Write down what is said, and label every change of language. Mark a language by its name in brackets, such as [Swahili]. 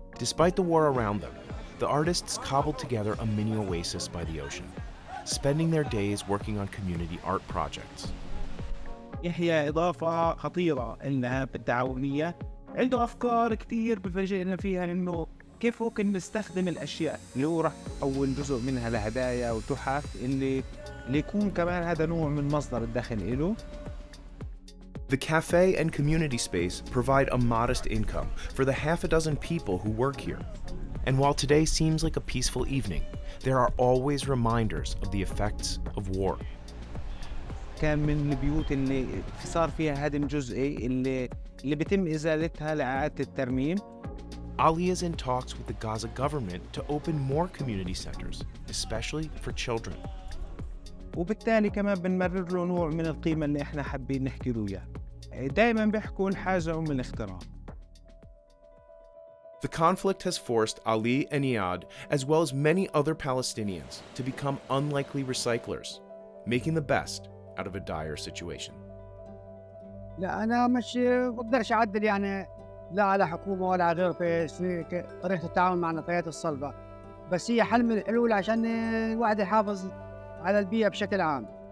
[English] Despite the war around them, the artists cobbled together a mini oasis by the ocean, spending their days working on community art projects. [Arabic] يحيى إضافة خطيرة إنها بالتعاونية عنده أفكار كتير بفاجئنا فيها إنه كيف ممكن نستخدم الأشياء اللي هو راح أول جزء منها لهدايا وتحف اللي يكون كمان هذا نوع من مصدر الدخل إله. [English] The cafe and community space provide a modest income for the half a dozen people who work here. And while today seems like a peaceful evening, there are always reminders of the effects of war. [Arabic] كان من البيوت اللي صار فيها هدم جزئي اللي اللي بتم إزالتها لإعادة الترميم. [English] Ali is in talks with the Gaza government to open more community centers, especially for children. [Arabic] وبالتالي كمان بنمرر له نوع من القيمة اللي إحنا حابين نحكي له إياها. دائماً بيحكوا الحاجة أم الاحترام. [English] The conflict has forced Ali and Iyad, as well as many other Palestinians, to become unlikely recyclers, making the best out of a dire situation. [Arabic] لا أنا مش بقدرش أعدل يعني لا على حكومة ولا على غير في طريقة التعامل مع النفايات الصلبة. بس هي حل من الحلول عشان الواحد يحافظ على البيئة بشكل عام.